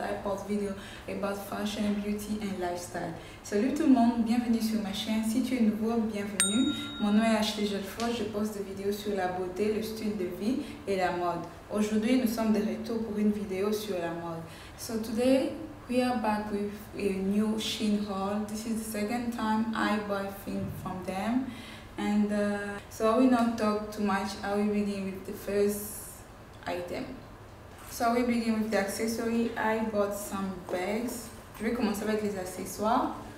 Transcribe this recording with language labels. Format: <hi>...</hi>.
<en>I post video about fashion, beauty and lifestyle.</en> <fr>Salut tout le monde, bienvenue sur ma chaîne. Si tu es nouveau, bienvenue. Mon nom est Ashley Jefford. Je poste des vidéos sur la beauté, le style de vie et la mode. Aujourd'hui, nous sommes de retour pour une vidéo sur la mode.</fr> <en>So today, we are back with a new Shein haul. This is the second time I buy things from them. And so I will not talk too much. I will begin with the first item. So I will begin with the accessory. I bought some bags.</en> <fr>Je vais commencer avec les accessoires.</fr>